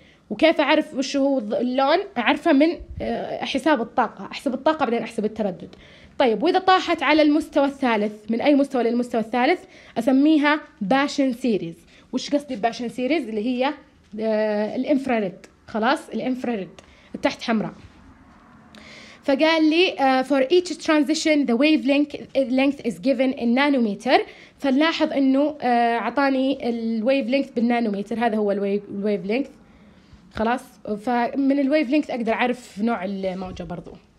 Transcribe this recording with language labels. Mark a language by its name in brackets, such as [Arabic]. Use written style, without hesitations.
[Arabic] وكيف اعرف وش هو اللون؟ اعرفه من حساب الطاقه، احسب الطاقه بعدين احسب التردد. طيب واذا طاحت على المستوى الثالث من اي مستوى للمستوى الثالث اسميها باشن سيريز. وش قصدي باشن سيريز؟ اللي هي الانفراريد، خلاص الانفراريد تحت حمراء. فقال لي [English] for each transition the wavelength is given in nanometer. [Arabic] فلاحظ انه عطاني الwavelength بالنانومتر، هذا هو الwavelength خلاص. فمن الwavelength اقدر اعرف نوع الموجة برضو.